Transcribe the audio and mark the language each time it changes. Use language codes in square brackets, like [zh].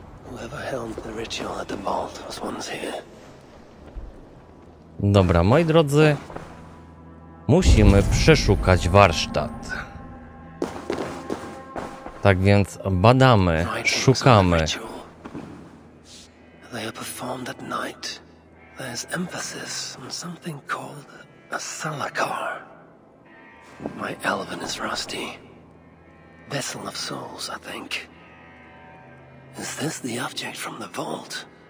[en] Whoever held the ritual at the vault was once here. [pl] Dobra, moi drodzy, musimy przeszukać warsztat. Tak więc badamy, szukamy. [en] They are performed at night, there's emphasis on something called a Salakar. My elven is rusty. Vessel of souls, I think. Is this the object from the vault?